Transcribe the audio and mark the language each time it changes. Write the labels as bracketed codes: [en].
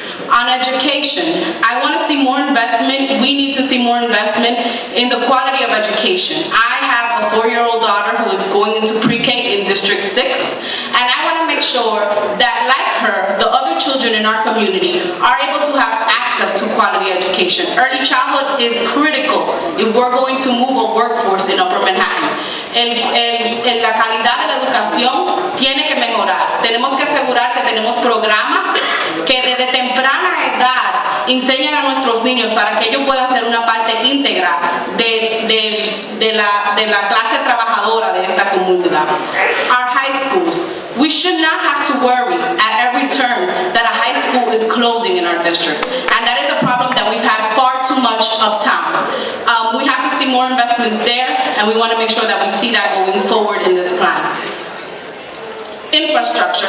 [en] on education. I want to see more investment. We need to see more investment in the quality of education. I have a four-year-old daughter who is going into pre-K in District 6, and I want to make sure that, like her, the other children in our community are able to have access to quality education. Early childhood is critical if we're going to move a workforce in Upper Manhattan. [es] La calidad de la educación tiene que mejorar. Tenemos que asegurar que tenemos programas que desde temprana edad enseñen a nuestros niños para que ellos puedan ser una parte íntegra de la clase trabajadora de esta comunidad. [en] Our high schools. We should not have to worry at every turn that a high school is closing in our district. And that is a problem that we've had far too much of time. We have to see more investments there, and we want to make sure that we see that going forward in this plan. Infrastructure.